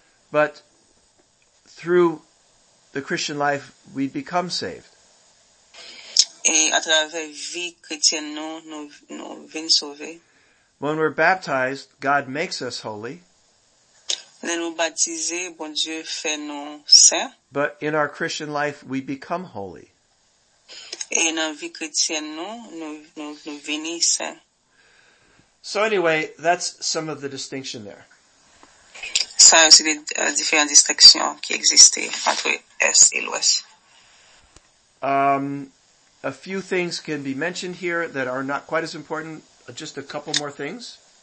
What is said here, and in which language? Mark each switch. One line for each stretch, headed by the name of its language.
English: but through the Christian life, we become saved.
French: Et à travers vie chrétienne, nous venons sauvés.
English: When we're baptized, God makes us holy.
French: Quand nous baptisons, bon Dieu fait nous saints.
English: But in our Christian life, we become holy.
French: Et dans la vie chrétienne, nous venons saints.
English: So anyway, that's some of the distinction there.
French: Ça, c'est les différentes distinctions qui existaient entre Est et l'Ouest.
English: A few things can be mentioned here that are not quite as important. Just a couple more things.